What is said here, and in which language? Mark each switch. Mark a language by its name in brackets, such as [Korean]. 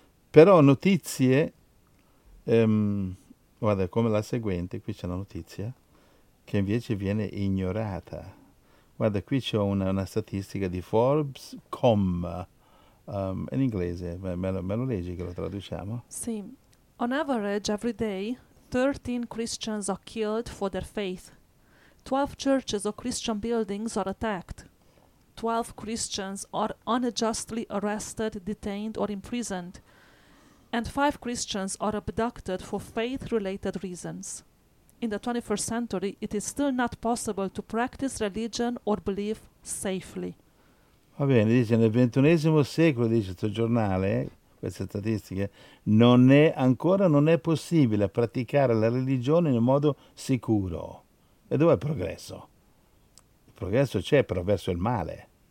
[Italian] Però notizie, guarda, come la seguente, qui c'è una notizia che invece viene ignorata. Guarda, qui c'è una statistica di Forbes.com, in inglese, me lo leggi che lo traduciamo? Sì. [English] On average, every day, 13 Christians are killed for their faith. 12 churches or Christian buildings are attacked. 12 Christians are unjustly arrested, detained, or imprisoned. And 5 Christians are abducted for faith-related reasons. In the 21st century, it is still not possible to practice religion or belief safely. [Italian] Va bene, dice, nel 21esimo secolo, dice questo giornale, queste statistiche, non è ancora possibile praticare la religione in modo sicuro. E dov'è il progresso? Il progresso c'è, però verso il male.